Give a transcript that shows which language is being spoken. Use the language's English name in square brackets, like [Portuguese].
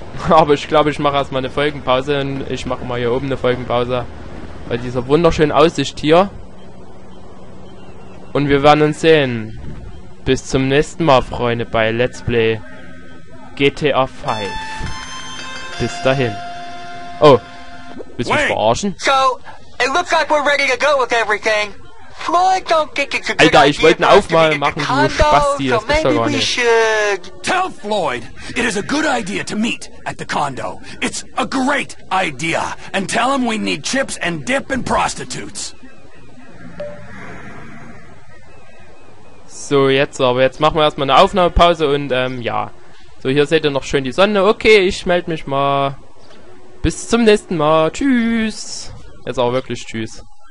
[German] Aber ich glaube, ich mache erstmal eine Folgenpause. Und ich mache mal hier oben eine Folgenpause. Bei dieser wunderschönen Aussicht hier. Und wir werden uns sehen. Bis zum nächsten Mal, Freunde, bei Let's Play GTA 5. Bis dahin. Oh, willst du mich verarschen? [English] So, it looks like we're ready to go with everything. Floyd, don't think it's a good [German] Alter, ich wollte einen Aufmal machen, du Spasti, das ist doch gar nicht. [English] Should... Tell Floyd, it is a good idea to meet at the condo. It's a great idea. And tell him we need chips and dip and prostitutes. [German] So, jetzt aber. Jetzt machen wir erstmal eine Aufnahmepause und, ja. So, hier seht ihr noch schön die Sonne. Okay, ich melde mich mal. Bis zum nächsten Mal. Tschüss. Jetzt auch wirklich tschüss.